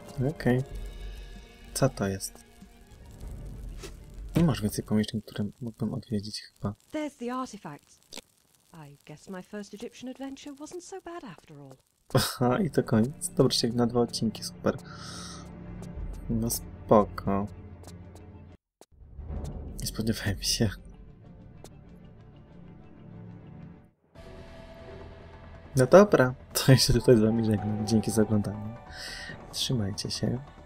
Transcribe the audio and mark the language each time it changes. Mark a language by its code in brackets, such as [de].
[pl] Okej. Co to jest? Nie masz więcej pomieszczeń, które mógłbym odwiedzić chyba. [en] There's the artifact. I guess my first Egyptian adventure wasn't so bad after all. [pl] Aha, i to koniec. Dobrze się na 2 odcinki, super. No spoko. Nie spodziewałem się. No dobra, to jeszcze tutaj z wami żegnam. Dzięki za oglądanie. Trzymajcie się.